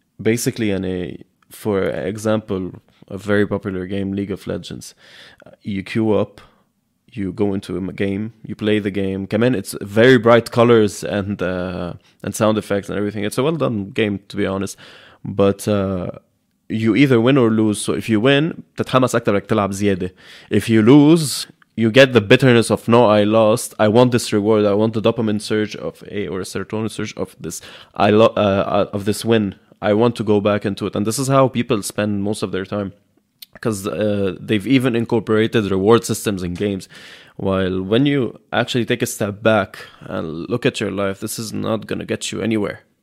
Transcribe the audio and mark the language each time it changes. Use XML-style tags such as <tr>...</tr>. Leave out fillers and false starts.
<en>basically for example a very popular game League of Legends you queue up you go into a game you play the game come in it's very bright colors and sound effects and everything it's a well done game to be honest but you either win or lose. So if you win,</en> <ar>تتحمس أكتر لك تلعب زيادة.</ar> <en>If you lose, you get the bitterness of, no, I lost. I want this reward. I want the dopamine surge of a serotonin surge of this of this win. I want to go back into it. And this is how people spend most of their time. Because they've even incorporated reward systems in games. While when you actually take a step back and look at your life, this is not going to get you anywhere.</en>